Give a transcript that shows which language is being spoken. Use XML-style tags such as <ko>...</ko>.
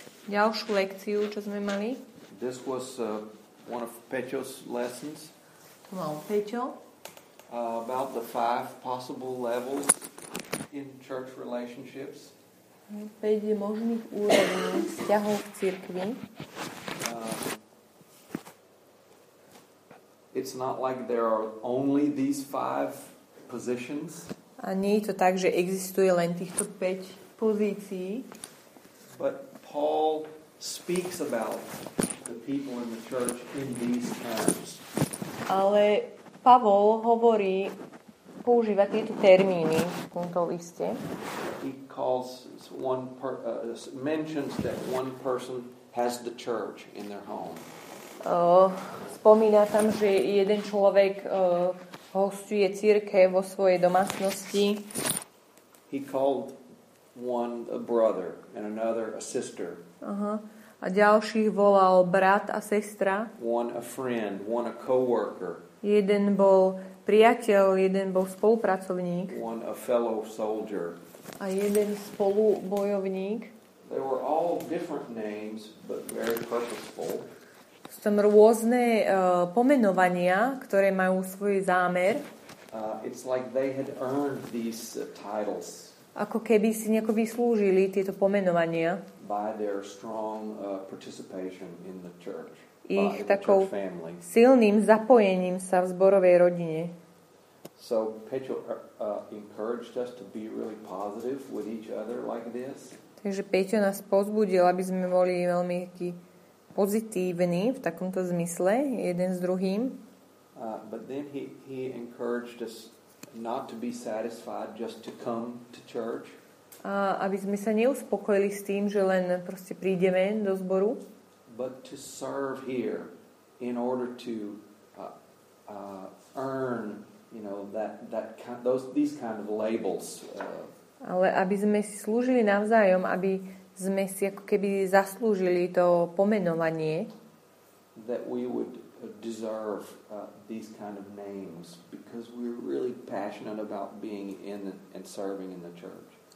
<sk>Ďalšiu lekciu, čo sme mali.</sk> <en>This was one of Peťo's lessons.</en> <sk>To mal Peťo.</sk> <en>About the five possible levels in church relationships.</en> <sk>Päť možných úrovní vzťahov v cirkvi.</sk> <en>It's not like there are only these five positions.</en> <sk>A nie je to tak, že existuje len týchto 5 pozícií.</sk> <en>But Paul speaks about the people in the church in these terms.</en> <sk>Ale Pavol hovorí, používa tieto termíny v tomto liste.</sk> <en>He calls one mentions that one person has the church in their home.</en> <sk>Spomína tam, že jeden človek hostuje cirkev vo svojej domácnosti.</sk> <en>He called one a brother and another a sister.</en> <sk>A ďalších volal brat a sestra.</sk> <en>One a friend, one a coworker.</en> <sk>Jeden bol priateľ, jeden bol spolupracovník.</sk> <en>One a fellow soldier.</en> <sk>A jeden spolubojovník.</sk> <en>They were all different names, but very purposeful.</en> <sk>Sú tam rôzne pomenovania, ktoré majú svoj zámer.</sk> <en>It's like they had earned these titles.</en> <sk>Ako keby si nejako vyslúžili tieto pomenovania.</sk> <en>By their strong participation in the church.</en> <sk>Ich takou silným zapojením sa v zborovej rodine.</sk> <en>So Peťo encouraged us to be really positive with each other like this.</en> <sk>Takže Peťo nás pozbudil, aby sme boli veľmi taký pozitívni v takomto zmysle, jeden s druhým.</sk> <en>But then he encouraged us not to be satisfied just to come to church.</en> <sk>A aby sme sa neuspokojili s tým, že len proste prídeme do zboru.</sk> <en>But to serve here in order to earn, you know, that kind, those, these kind of labels.</en> <sk>Ale aby sme si slúžili navzájom, aby sme si ako keby zaslúžili to pomenovanie.</sk> <en>That we would deserve these kind of names because we're really passionate about being in and serving in the church.</en>